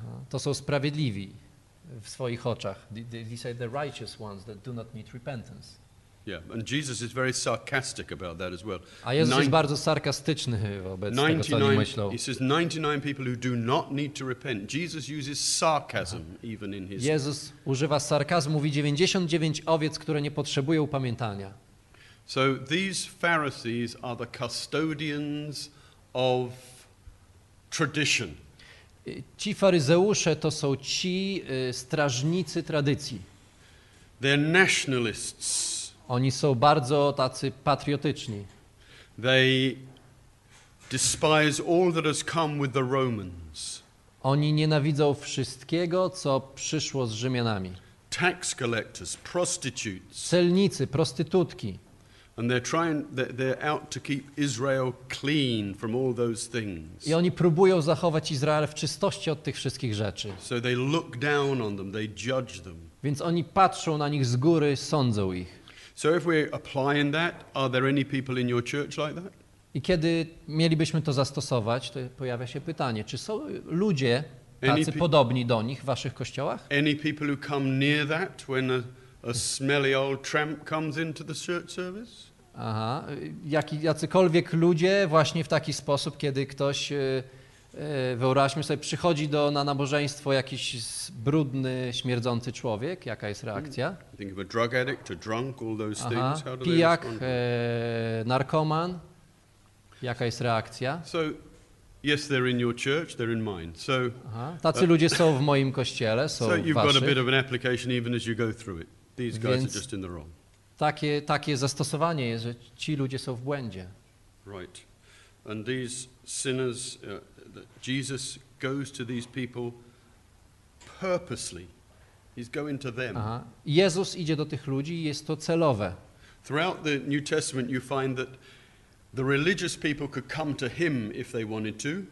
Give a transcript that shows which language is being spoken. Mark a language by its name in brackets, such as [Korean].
[Polish] To są sprawiedliwi w swoich oczach. [English] These are the righteous ones that do not need repentance. Yeah, and Jesus is very sarcastic about that as well. [Polish] A Jezus jest bardzo sarkastyczny wobec tego, co oni myślą. [English] He says 99 people who do not need to repent. Jesus uses sarcasm even in his. [Polish] Jezus używa sarkazmu, mówi 99 owiec, które nie potrzebują upamiętania. [English] So these Pharisees are the custodians of tradition. [Polish] Ci faryzeusze to są ci strażnicy tradycji. [English] They're nationalists. [Polish] Oni są bardzo tacy patriotyczni. [English] They despise all that has come with the Romans. [Polish] Oni nienawidzą wszystkiego, co przyszło z Rzymianami. [English] Tax collectors, prostitutes. [Polish] Celnicy, prostytutki. [English] And they're out to keep Israel clean from all those things. [Polish] I oni próbują zachować Izrael w czystości od tych wszystkich rzeczy. [English] So they look down on them, they judge them. [Polish] Więc oni patrzą na nich z góry, sądzą ich. [English] So if we're applying that, are there any people in your church like that? [Polish] I kiedy mielibyśmy to zastosować, to pojawia się pytanie, czy są ludzie tacy podobni do nich w waszych kościołach? [English] Any people who come near that when a smelly old tramp comes into the church service? [Polish] Aha, jacykolwiek ludzie właśnie w taki sposób, kiedy ktoś wyobraźmy sobie, przychodzi na nabożeństwo jakiś brudny, śmierdzący człowiek. Jaka jest reakcja? [English] Think of a drug addict, a drunk, all those things. [Polish] Aha, pijak, narkoman. Jaka jest reakcja? [English] So, yes, they're in your church, they're in mine. So, [Polish] aha, tacy ludzie są w moim kościele, są waszych. [English] So you've got a bit of an application even as you go through it. These guys are just in the wrong. [Polish] Takie zastosowanie jest, że ci ludzie są w błędzie. [English] Right. And these sinners... Jesus goes to these people purposely. He's going to them. Aha. [Polish] Jezus idzie do tych ludzi i jest to celowe. [English] Throughout the New Testament you find that the religious people could come to him if they wanted to.